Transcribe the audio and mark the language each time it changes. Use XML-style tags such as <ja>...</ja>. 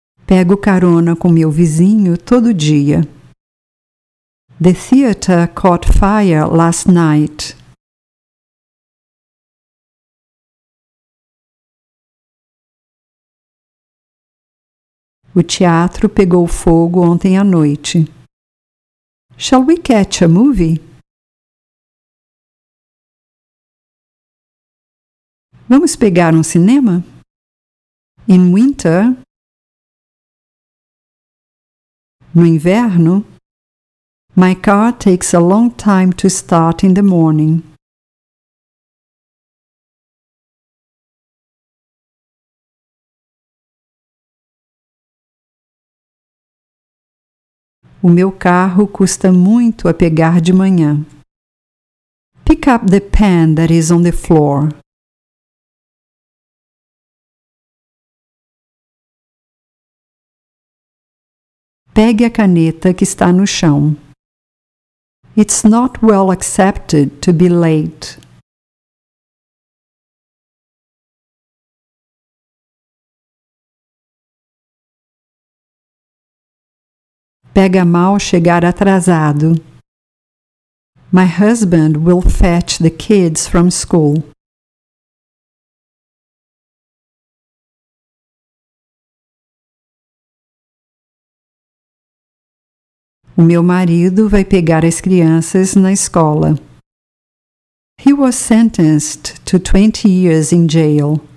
<pt>Pego carona com meu vizinho todo dia.</pt> <en>The theater caught fire last night.</en> <pt>O teatro pegou fogo ontem à noite.</pt> <en>Shall we catch a movie?</en> <pt>Vamos pegar um cinema?</pt> <en>In winter?</en> <pt>No inverno?</pt> <en>My car takes a long time to start in the morning.</en> <pt>O meu carro custa muito a pegar de manhã.</pt> <en>Pick up the pen that is on the floor.</en> <pt>Pegue a caneta que está no chão.</pt> <en>It's not well accepted to be late.</en> <pt>Pega mal chegar atrasado.</pt> <en>My husband will fetch the kids from school.</en> <pt>O meu marido vai pegar as crianças na escola.</pt> <en>He was sentenced to 20 years in jail.</en>